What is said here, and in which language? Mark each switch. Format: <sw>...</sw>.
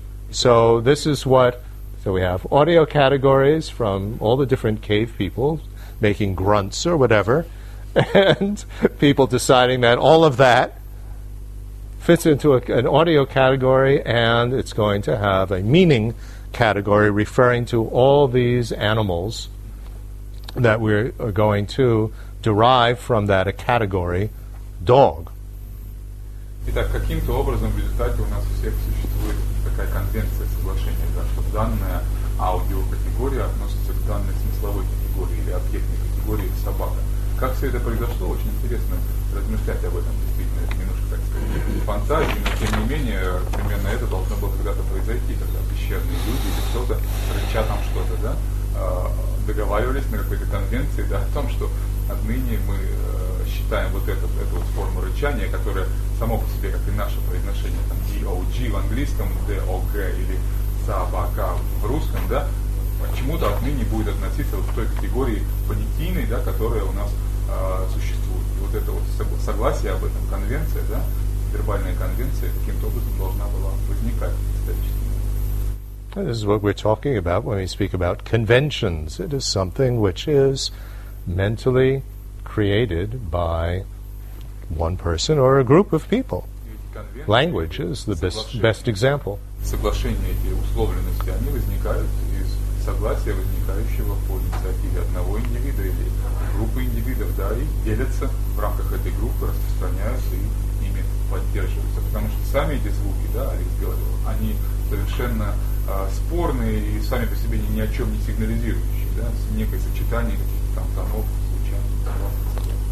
<en>So this is what, so we have audio categories from all the different cave people making grunts or whatever, and people deciding that all of that fits into an audio category, and it's going to have a meaning category referring to all these animals that we are going to derive from that a category, dog.</en> <ru>Итак, каким-то образом в результате у нас у всех существует такая конвенция, соглашение, да, что данная аудиокатегория относится к данной смысловой категории или объектной категории собака. Как все это произошло, очень интересно размышлять об этом, действительно, это немножко, так сказать, фантазии, но тем не менее, примерно это должно было когда-то произойти, когда пещерные люди или кто-то, рыча там что-то, да, договаривались на какой-то конвенции, да, о том, что отныне мы считаем вот эту вот форму рычания, которая само по себе, как и наше произношение, там, D-O-G в английском, D-O-G или собака в русском, да, почему-то отныне будет относиться вот к той категории понятийной, да, которая у нас существует. И вот это вот согласие об этом, конвенция, да, вербальная конвенция, каким-то образом должна была возникать исторически.</ru> <en>This is what we're talking about when we speak about conventions. It is something which is mentally created by one person or a group of people. Language is the best example.</en> <ru>Соглашения эти условленности, они возникают из согласия, возникающего по инициативе одного индивида или группы индивидов, да, и делятся в рамках этой группы, распространяются и ими поддерживаются. Потому что сами эти звуки, да, Алекс говорил, они совершенно спорные и сами по себе ни о чем не сигнализирующие, да, некое сочетание каких-то там тонов, звучаний.</ru>